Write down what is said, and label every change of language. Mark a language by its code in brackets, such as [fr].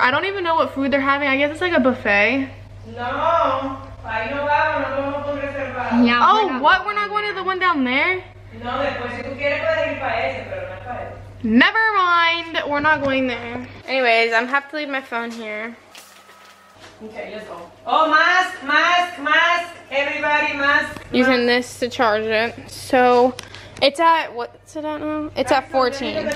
[en] I don't even know what food they're having. I guess it's like a buffet. No. Yeah, oh, we're what? We're not going to the one down there? [es] No, después si tú quieres puedes ir para ese, pero no para ese. [en] Never mind. We're not going there. Anyways, I'm have to leave my phone here. Okay, let's go. Oh, mask, mask, mask. Everybody, mask. Using this to charge it. So It's at, what's it at now? It's at 14.